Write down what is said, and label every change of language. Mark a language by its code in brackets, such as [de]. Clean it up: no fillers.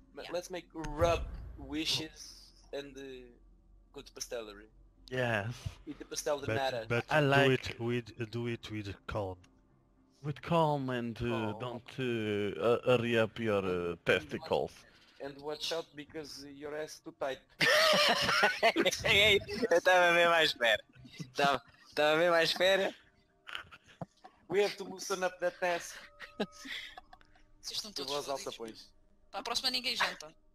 [en] Let's make rub wishes and go to pastelery. Yes. Eat the pastel de nada. But I like do it with calm. With calm and don't hurry up your testicles. And watch out because your ass is too tight. [pt] Eu estava bem mais espera. Estava bem mais espera. [en] We have to loosen up that ass. [pt] Vocês estão todos fodidos. Para a próxima ninguém janta.